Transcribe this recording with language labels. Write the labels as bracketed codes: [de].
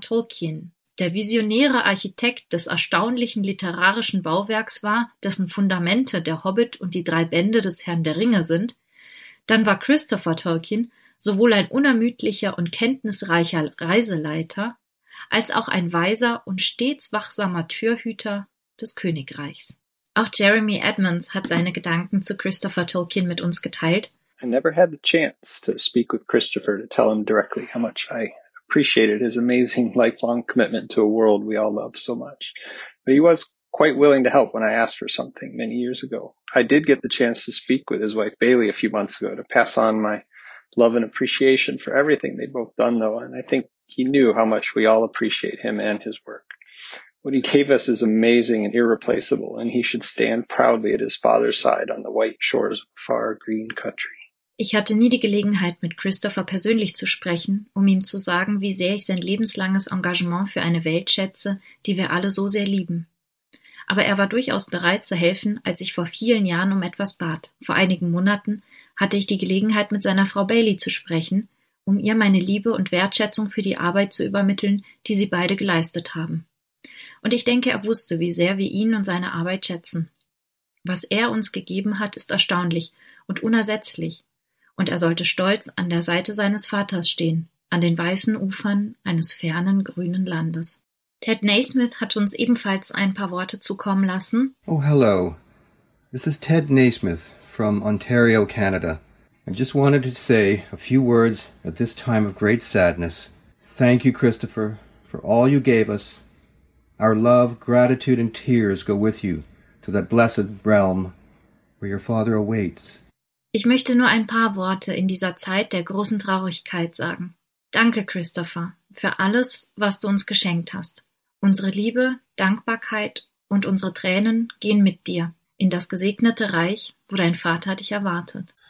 [de] Tolkien der visionäre Architekt des erstaunlichen literarischen Bauwerks war, dessen Fundamente der Hobbit und die drei Bände des Herrn der Ringe sind, dann war Christopher Tolkien sowohl ein unermüdlicher und kenntnisreicher Reiseleiter als auch ein weiser und stets wachsamer Türhüter des Königreichs. Auch Jeremy Edmonds hat seine Gedanken zu Christopher Tolkien mit uns geteilt. [en] I never had the chance to speak with Christopher to tell him directly how much I appreciated his amazing lifelong commitment to a world we all love so much. But he was quite willing to help when I asked for something many years ago. I did get the chance to speak with his wife Bailey a few months ago to pass on my love and appreciation for everything they'd both done, though, and I think he knew how much we all appreciate him and his work. What he gave us is amazing and irreplaceable, and he should stand proudly at his father's side on the white shores of a far green country. [de] Ich hatte nie die Gelegenheit, mit Christopher persönlich zu sprechen, um ihm zu sagen, wie sehr ich sein lebenslanges Engagement für eine Welt schätze, die wir alle so sehr lieben. Aber er war durchaus bereit zu helfen, als ich vor vielen Jahren um etwas bat. Vor einigen Monaten hatte ich die Gelegenheit, mit seiner Frau Bailey zu sprechen, um ihr meine Liebe und Wertschätzung für die Arbeit zu übermitteln, die sie beide geleistet haben. Und ich denke, er wusste, wie sehr wir ihn und seine Arbeit schätzen. Was er uns gegeben hat, ist erstaunlich und unersetzlich. Und er sollte stolz an der Seite seines Vaters stehen, an den weißen Ufern eines fernen grünen Landes. Ted Naismith hat uns ebenfalls ein paar Worte zukommen lassen. [en] Oh, hello. This is Ted Naismith from Ontario, Canada. I just wanted to say a few words at this time of great sadness. Thank you, Christopher, for all you gave us. Our love, gratitude and tears go with you to that blessed realm where your father awaits. [de] Ich möchte nur ein paar Worte in dieser Zeit der großen Traurigkeit sagen. Danke, Christopher, für alles, was du uns geschenkt hast. Unsere Liebe, Dankbarkeit und unsere Tränen gehen mit dir in das gesegnete Reich, wo dein Vater dich erwartet.